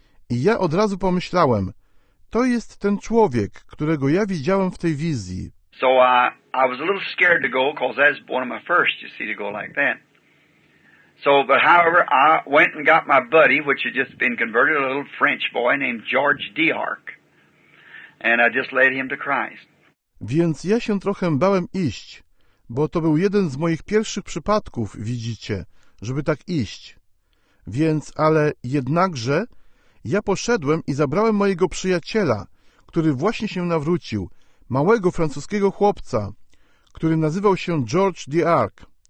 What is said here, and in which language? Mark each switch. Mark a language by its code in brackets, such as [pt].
[pl] I ja od razu pomyślałem, to jest ten człowiek, którego ja widziałem w tej wizji. [en] So I was a little scared to go, because that's one of my first, you see, to go like that. So, but however, I went and got my buddy, which had just been converted, a little French boy named George Dehark. And I just led him to Christ. [pl] Więc ja się trochę bałem iść, bo to był jeden z moich pierwszych przypadków, widzicie, żeby tak iść. Więc, ale jednakże, ja poszedłem i zabrałem mojego przyjaciela, który właśnie się nawrócił, małego francuskiego chłopca, który nazywał się George Dehark.